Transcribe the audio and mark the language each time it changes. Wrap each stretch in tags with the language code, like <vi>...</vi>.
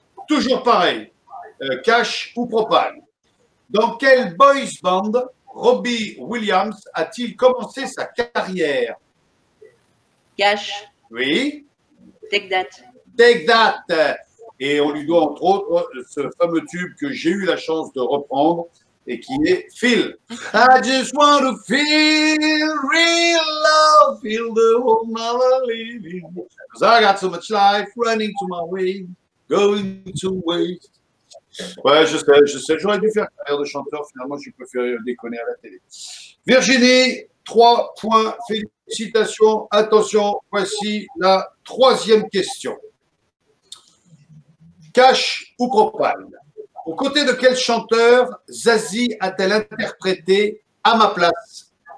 <fr>Toujours pareil, cash ou propane. Dans quel boys band Robbie Williams a-t-il commencé sa carrière? Cash. Oui. Take That. Take That. Et on lui doit entre autres ce fameux tube que j'ai eu la chance de reprendre et qui est Feel.</fr> <en>I just want to feel real love, feel the whole mother living. Cause I got so much life running to my way, going to waste.</en> <fr>Ouais, je sais, j'aurais dû faire carrière de chanteur, finalement, j'ai préféré déconner à la télé. Virginie, 3 points, félicitations. Attention, voici la troisième question. Cash ou propal? Aux côtés de quel chanteur Zazie a-t-elle interprété À ma place?</fr>